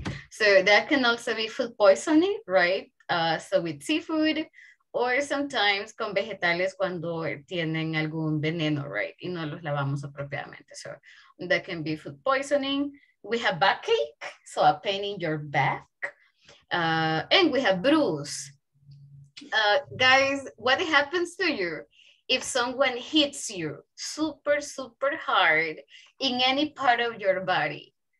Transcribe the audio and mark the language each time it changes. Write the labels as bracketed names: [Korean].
[English] So that can also be food poisoning, right? So with seafood. Or sometimes [Spanish] con vegetales cuando tienen algún veneno, right? Y no los lavamos apropiadamente. [English] So that can be food poisoning. We have backache, so a pain in your back. And we have bruise. Guys, what happens to you if someone hits you super, super hard in any part of your body?